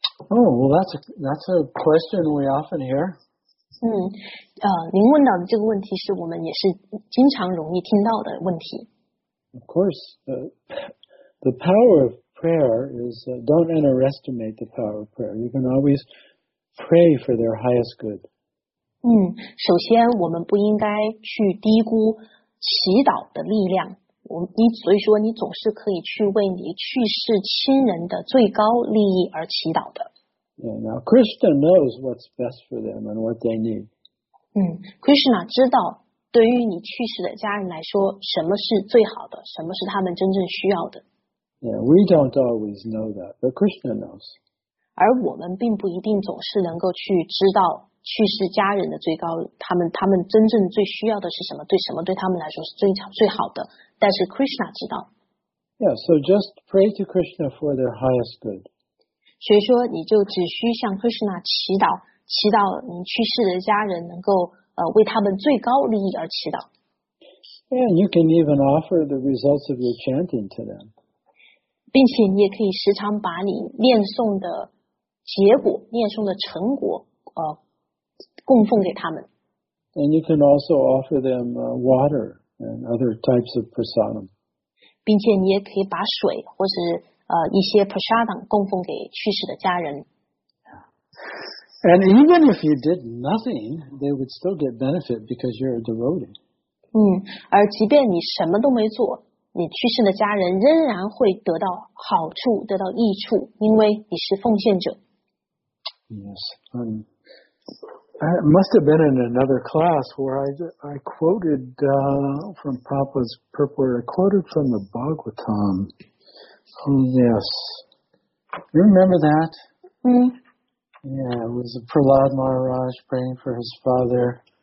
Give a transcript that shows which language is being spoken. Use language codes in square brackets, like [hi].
[en] Oh, well, that's a question we often hear. [zh] 您问到的这个问题是我们也是经常容易听到的问题。 [en] Of course, the power of prayer is, don't underestimate the power of prayer. You can always pray for their highest good. [zh] 首先我们不应该去低估祈祷的力量。所以说你总是可以去为你去世亲人的最高利益而祈祷的。 [en] Yeah, now Krishna knows what's best for them and what they need. [zh] Krishna 知道对于你去世的家人来说什么是最好的，什么是他们真正需要的。 [en] Yeah, we don't always know that, but Krishna knows. [zh] 而我们并不一定总是能够去知道去世家人的最高，他们真正最需要的是什么？对什么对他们来说是最好的？但是 Krishna 知道。 [en] Yeah, so just pray to Krishna for their highest good. [zh] 所以说，你就只需向 Krishna 祈祷你去世的家人能够为他们最高利益而祈祷。 [en] And you can even offer the results of your chanting to them. [zh] 并且你也可以时常把你念诵的结果、念诵的成果，供奉给他们。 [en] And you can also offer them water and other types of prasadam. [zh] 并且你也可以把水或是一些 prasadam 供奉给去世的家人。 [en] And even if you did nothing, they would still get benefit because you're a devotee. [zh] 而即便你什么都没做，你去世的家人仍然会得到好处，得到益处，因为你是奉献者。 [en] Yes. It must have been in another class where I quoted from Papa's purport. I quoted from the Bhagavatam. Oh, yes. You remember that? Yeah, it was Prahlad Maharaj praying for his father.